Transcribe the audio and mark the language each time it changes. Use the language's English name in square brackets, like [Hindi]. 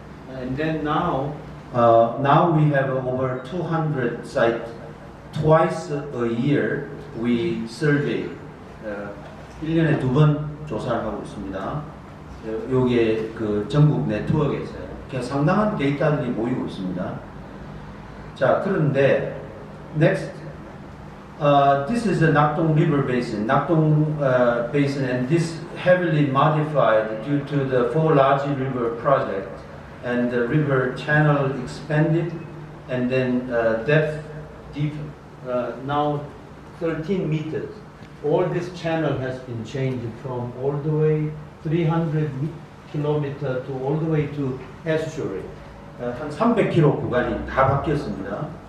[English] And then now, now we have over 200 sites. Twice a year, we survey. [Korean] 1년에 두 번 조사를 하고 있습니다. 요게 그 전국 네트워크에서요. 그냥 상당한 데이터들이 모이고 있습니다. [English] 자, 그런데, next. This is the Nakdong River Basin. Nakdong Basin, and this heavily modified due to the four large river project. And the river channel expanded, and then depth deep now 13 meters. All this channel has been changed from all the way 300 kilometer to all the way to estuary. [Korean] 한 300 km 구간이 다 바뀌었습니다.